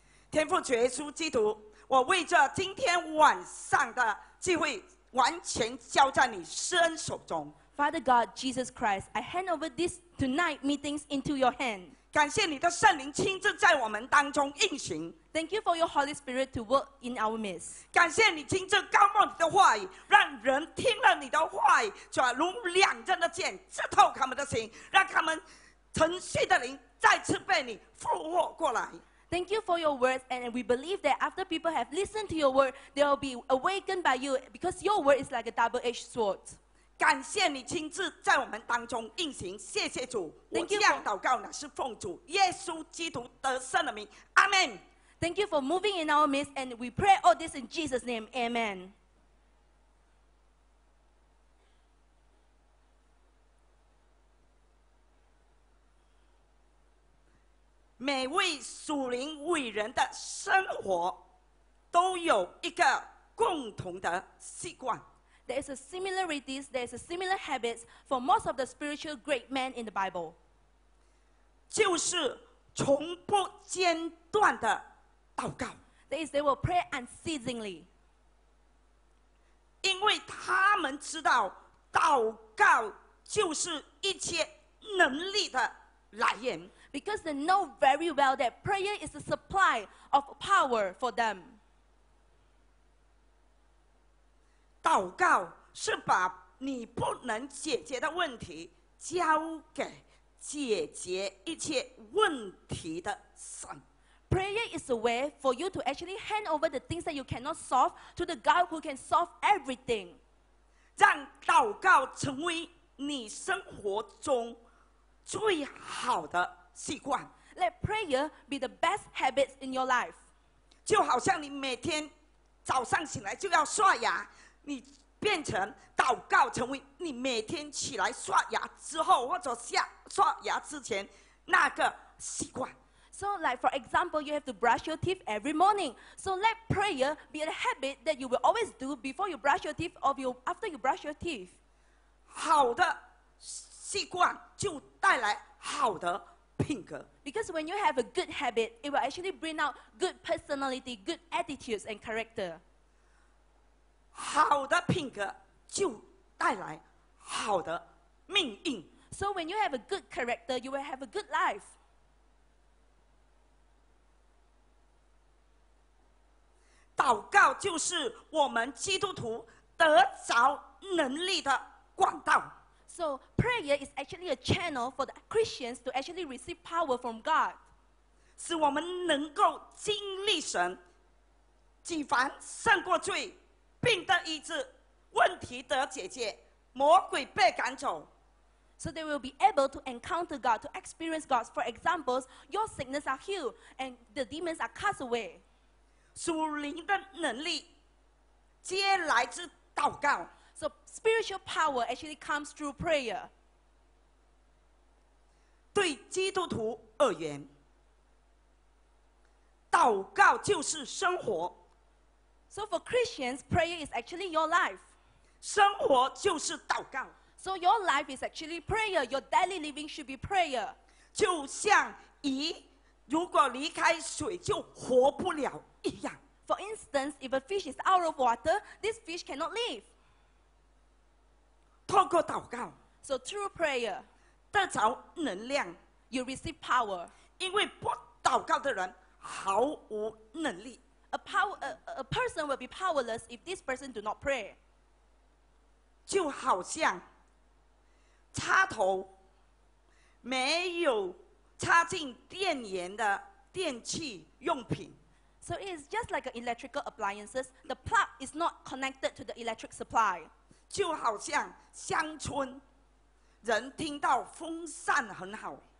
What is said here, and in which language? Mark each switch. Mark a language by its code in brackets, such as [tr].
[zh] 天父主耶稣基督，我为这今天晚上的机会，完全交在你圣手中。 [en] Father God, Jesus Christ, I hand over this tonight meetings into your hand. [zh] 感谢你的圣灵亲自在我们当中运行。 [en] Thank you for your Holy Spirit to work in our midst. [zh] 感谢你亲自高牧你的话语，让人听了你的话语，就如两刃的剑刺透他们的心，让他们沉睡的灵再次被你复活过来。 [en] Thank you for your words, and we believe that after people have listened to your word, they will be awakened by you, because your word is like a double-edged sword. [zh] 感谢你亲自在我们当中运行，谢谢主。 [en] Thank you. [zh] 我这样祷告乃是奉主耶稣基督得胜的名，阿门。 [en] Thank you for moving in our midst, and we pray all this in Jesus' name. Amen. Every spiritual person's life has a common habit. There is a similarity, there is a similar habit for most of the spiritual great men in the Bible. [zh] 就是从不间断的祷告。 [en] That is, they will pray unceasingly. [zh] 因为他们知道祷告就是一切能力的来源。 [en] Because they know very well that prayer is a supply of power for them. [zh] 祷告是把你不能解决的问题交给解决一切问题的神。 [en] Prayer is a way for you to actually hand over the things that you cannot solve to the God who can solve everything. [zh] 让祷告成为你生活中最好的习惯。 [en] Let prayer be the best habits in your life. [zh] 就好像你每天早上醒来就要刷牙，你变成祷告，成为你每天起来刷牙之后或者下刷牙之前那个习惯。 [en] So like for example, you have to brush your teeth every morning. So let prayer be a habit that you will always do before you brush your teeth or after you brush your teeth. [zh] 好的习惯就带来好的品格。 [en] Because when you have a good habit, it will actually bring out good personality, good attitudes and character. [zh] 好的品格就带来好的命运。 [en] So when you have a good character, you will have a good life. [zh] 祷告就是我们基督徒得着能力的管道。 [en] So prayer is actually a channel for the Christians to actually receive power from God. [zh] 使我们能够经历神，己凡胜过罪，病得医治，问题得解决，魔鬼被赶走。 [en] So they will be able to encounter God, to experience God. For example, your sickness are healed and the demons are cast away. [zh] 属灵的能力皆来自祷告。 [en] So spiritual power actually comes through prayer. [zh] 对基督徒而言，祷告就是生活。 [en] So for Christians, prayer is actually your life. [zh] 生活就是祷告。 [en] So your life is actually prayer. Your daily living should be prayer. [zh] 就像鱼如果离开水就活不了一样。 [en] For instance, if a fish is out of water, this fish cannot live. [zh] 透过祷告 [en] so through prayer, [zh] 得着能量 [en] you receive power. [zh] 因为不祷告的人毫无能力 [en] a person will be powerless if this person do not pray. [zh] 就好像插头没有插进电源的电器用品 [en] So it is just like an electrical appliances. The plug is not connected to the electric supply. [zh] 就好像乡村人听到风扇很好